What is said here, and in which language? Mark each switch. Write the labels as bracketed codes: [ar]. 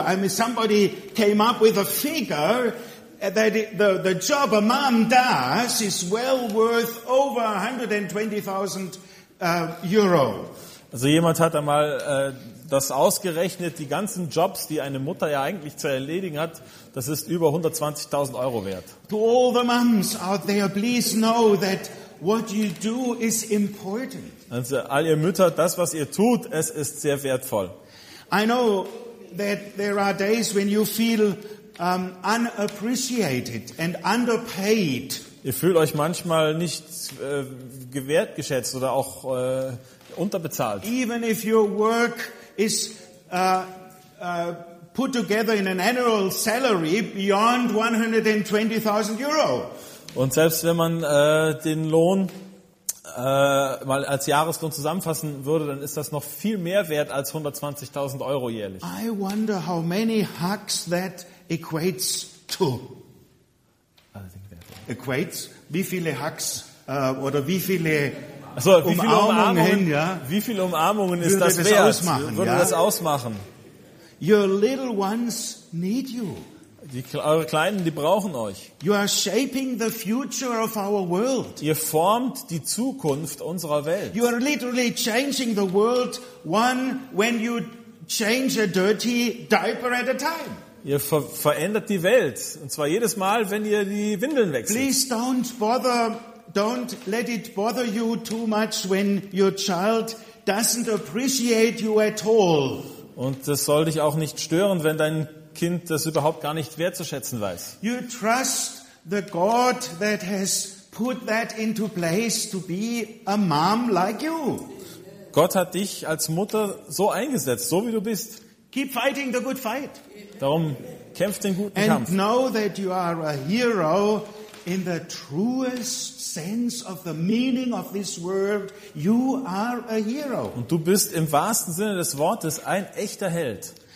[en] I mean, somebody came up with a figure that the job a mom does is well worth over 120,000 euro. [de] Also jemand hat einmal das ausgerechnet, die ganzen Jobs, die eine Mutter ja eigentlich zu erledigen hat, das ist über 120.000 Euro wert. [en] To all the moms out there, please know that what you do is important. [de] Also all ihr Mütter, das was ihr tut, es ist sehr wertvoll. [en] I know that there are days when you feel unappreciated and underpaid. [de] Ihr fühlt euch manchmal nicht wertgeschätzt oder auch unterbezahlt. [en] Even if your work is put together in an annual salary beyond 120,000 euro. [de] Und selbst wenn man den Lohn mal als Jahreslohn zusammenfassen würde, dann ist das noch viel mehr wert als 120.000 Euro jährlich. [en] I wonder how many hugs that equates to. Equates? [de] Wie viele Hugs oder wie viele, also, wie viele Umarmungen? Ja? Wie viele Umarmungen ist das wert? Würde das ausmachen? [en] Your little ones need you. [de] Eure Kleinen, die brauchen euch. [en] You are shaping the future of our world. [de] Ihr formt die Zukunft unserer Welt. [en] You are literally changing the world one when you change a dirty diaper at a time. [de] Ihr verändert die Welt, und zwar jedes Mal, wenn ihr die Windeln wechselt. [en] Please don't let it bother you too much when your child doesn't appreciate you at all. [de] Und das soll dich auch nicht stören, wenn dein Kind das überhaupt gar nicht wertzuschätzen weiß. [en] You trust the God that has put that into place to be a mom like you. [de] Gott hat dich als Mutter so eingesetzt, so wie du bist. [en] Keep fighting the good fight. [de] Darum kämpft den guten [en] and [de] Kampf. [en] And know that you are a hero in the truest sense of the meaning of this word. You are a hero. [de] Und du bist im wahrsten Sinne des Wortes ein echter Held.